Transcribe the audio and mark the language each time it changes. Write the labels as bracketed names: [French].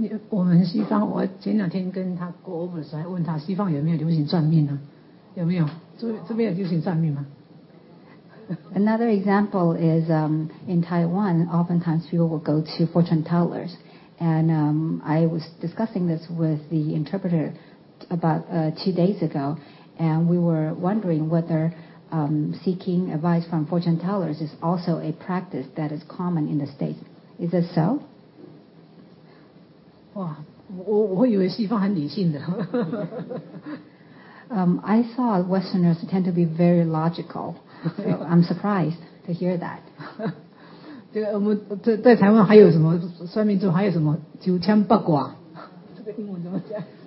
[Chinese] 我们西方，我前两天跟他过 over 的时候，还问他西方有没有流行算命呢？有没有？这边有流行算命吗？ [English] Another example is in Taiwan, oftentimes people will go to fortune tellers. And I was discussing this with the interpreter about 2 days ago, and we were wondering whether seeking advice from fortune tellers is also a practice that is common in the States. Is it so? Wow, I thought the West is very rational. I thought Westerners tend to be very logical. So I'm surprised to hear that. [Chinese] 这个我们在台湾还有什么算命中还有什么九千八卦？这个英文怎么讲？